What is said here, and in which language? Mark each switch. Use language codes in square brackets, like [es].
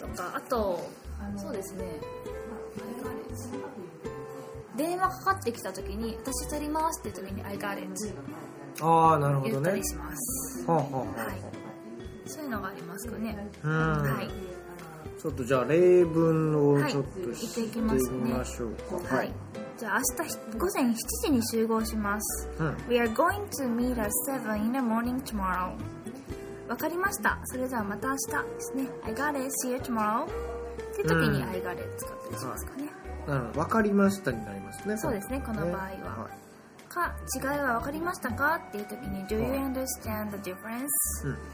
[ja] とか、あとそうですね、電話かかってきたときに私取りますって時に [en] I got it、 [ja] ああなるほどね、言ったりします、はあはあ、はい、そういうのがありますかね。うん、はい、ちょっとじゃあ例文をちょっと、はい、していきます、ね、みましょうか、はい、じゃあ明日午前7時に集合します、うん、 [en] We are going to meet at 7 in the morning tomorrow。 [ja] わかりました、それではまた明日ですね。 [en] I got it, see you tomorrow [ja] って時に I got it 使ったりしますかね、うん、はい、なるほど、分かりましたになりますね。そうですね、この場合は、ね、はい、か違いは分かりましたかっていう時に [en] Do you understand the difference?、 [ja] うん、